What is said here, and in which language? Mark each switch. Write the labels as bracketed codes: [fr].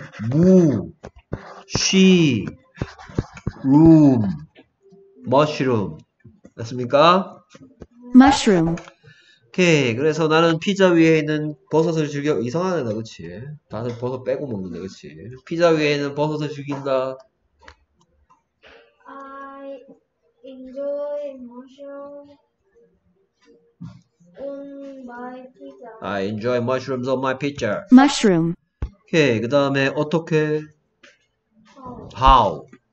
[ko] 무 쉬 룸 머쉬룸 됐습니까? [en] 머쉬룸 [ko] 오케이 그래서 나는 피자 위에 있는 버섯을 즐겨 이상하네 나 그치 다들 버섯 빼고 먹는데 그치 피자 위에 있는 버섯을 즐긴다 [en] I enjoy mushrooms on my pizza I enjoy mushrooms on my pizza mushroom [ko] 오케이 그 다음에 어떻게 how